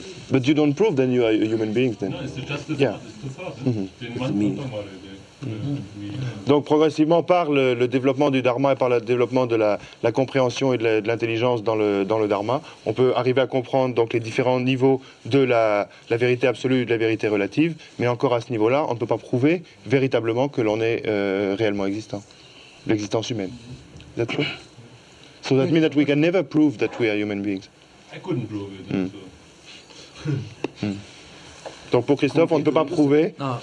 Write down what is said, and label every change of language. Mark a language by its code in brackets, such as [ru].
[en] But you don't prove then you are a human being then. No, it's just the [fr] Donc progressivement par le développement du dharma et par le développement de la compréhension et de l'intelligence dans le dharma, on peut arriver à comprendre donc les différents niveaux de la vérité absolue et de la vérité relative, mais encore à ce niveau-là, on ne peut pas prouver véritablement que l'on est réellement existant, l'existence humaine. [en] Is that true? So that means that we can never prove that we are human beings. I couldn't prove it. [fr] Donc pour Christophe, on ne peut pas prouver.